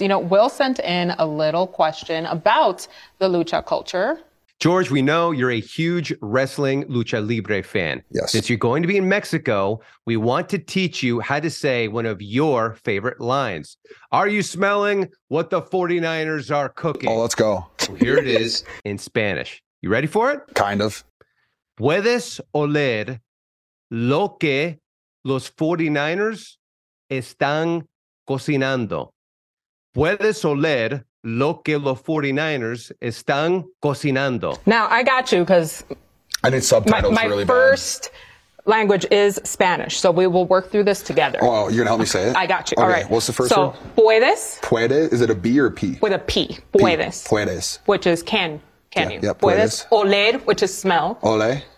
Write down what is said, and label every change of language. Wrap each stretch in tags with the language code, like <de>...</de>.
<en>You know, Will sent in a little question about the Lucha culture. George, we know you're a huge wrestling Lucha Libre fan. Yes. Since you're going to be in Mexico, we want to teach you how to say one of your favorite lines. Are you smelling what the 49ers are cooking? Oh, let's go. So here it is in Spanish. You ready for it? Kind of.</en> <es>¿Puedes oler lo que los 49ers están cocinando? ¿Puedes oler lo que los 49ers están cocinando?</es> <en>Now, I got you because I need subtitles my really first bad. Language is Spanish, so we will work through this together. Oh, you're gonna help me say it? I got you. Okay. All right. What's the first so, one? So, puedes. Puede. Is it a B or a P? With a P. Puedes.</en> <es>P. Puedes.</es> <en>Which is can. Can yeah, you? Yeah, puedes. Oler, which is smell.</en> <es>Ole.</es>